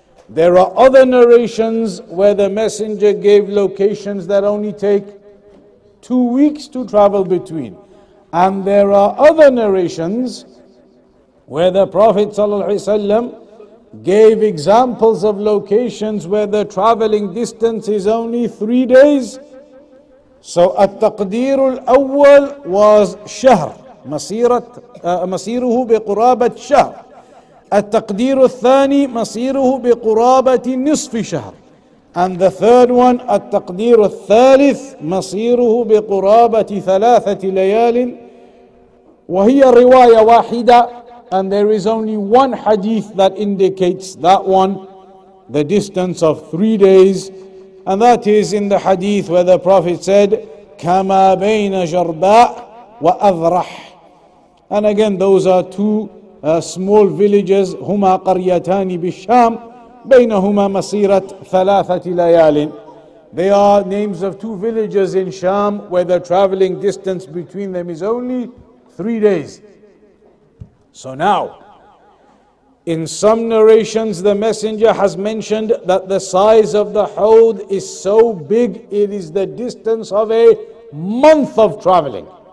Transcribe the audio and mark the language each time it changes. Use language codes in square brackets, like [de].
[en] There are other narrations where the messenger gave locations that only take 2 weeks to travel between. And there are other narrations where the Prophet ﷺ gave examples of locations where the traveling distance is only 3 days. [ar] So التقدير الأول was شهر مسيره بقرابة شهر. التقدير الثاني مسيره بقرابة نصف شهر. [en] And the third one, [ar] التقدير الثالث مصيره بقرابة ثلاثة ليال وهي رواية واحدة. [en] And there is only one hadith that indicates that one, the distance of 3 days. And that is in the hadith where the Prophet said, [ar] كما بين جرباء وأذرح. [en] And again, those are two small villages, [ar] هما قريتان بالشام. بينهما مسيرة ثلاثة ليال. [en] They are names of two villages in Sham where the traveling distance between them is only 3 days. So now, in some narrations, the messenger has mentioned that the size of the hawd is so big it is the distance of a month of traveling.